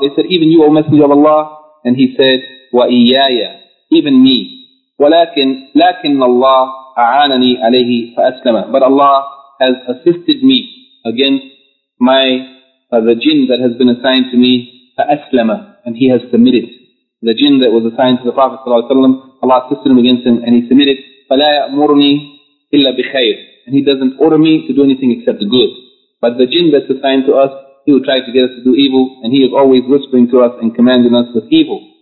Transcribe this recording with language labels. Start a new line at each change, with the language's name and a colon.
English: They said, even you, O Messenger of Allah. And he said,
Arabic: وإياي,
English: even me.
Arabic: ولكن الله أعانني عليه فأسلم.
English: But Allah has assisted me against the jinn that has been assigned to me,
Arabic: فأسلم.
English: And he has submitted. The jinn that was assigned to the Prophet صلى الله عليه وسلم, Allah assisted him against him and he submitted.
Arabic: فلا يأمرني إلا بخير.
English: And he doesn't order me to do anything except the good. But the jinn that's assigned to us, he will try to get us to do evil, and he is always whispering to us and commanding us with evil.